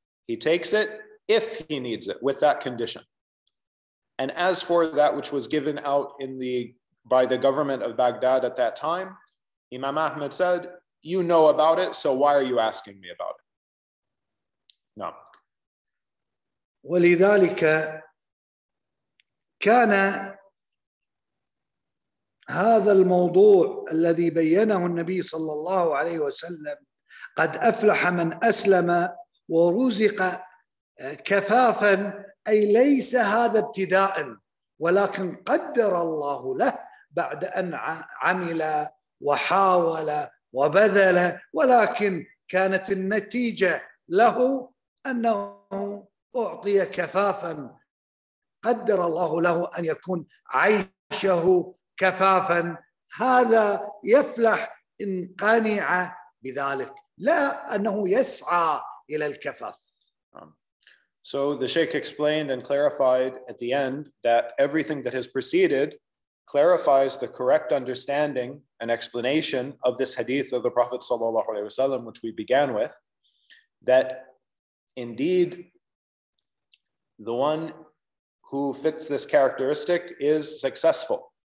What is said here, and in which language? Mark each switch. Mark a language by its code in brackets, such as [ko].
[en] He takes it if he needs it with that condition. And as for that which was given out by the government of Baghdad at that time, Imam Ahmed said, you know about it, so why are you asking me about it? No. [ar] ولذلك كان هذا الموضوع الذي بينه النبي صلى الله عليه وسلم قد أفلح من أسلم ورزق كفافا، أي ليس هذا ابتداء ولكن قدر الله له بعد أن عمل وحاول وبذل، ولكن كانت النتيجة له أنه أعطي كفافا، قدر الله له أن يكون عيشه كفافا، هذا يفلح إن قنع بذلك لا أنه يسعى إلى الكفاف. [en] So the Sheikh explained and clarified at the end that everything that has preceded clarifies the correct understanding and explanation of this hadith of the Prophet sallallahu alaihi wasallam, which we began with, that indeed the one who fits this characteristic is successful.